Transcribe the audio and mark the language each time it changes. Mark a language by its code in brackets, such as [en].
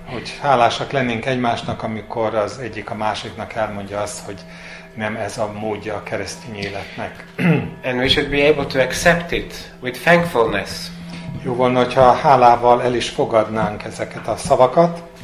[hu] Hogy hálásak lennénk egymásnak, amikor az egyik a másiknak elmondja azt, hogy nem ez a módja a keresztény életnek. [en] And we should be able to accept it with thankfulness. [hu] Jó volna, hogyha hálával el is fogadnánk ezeket a szavakat.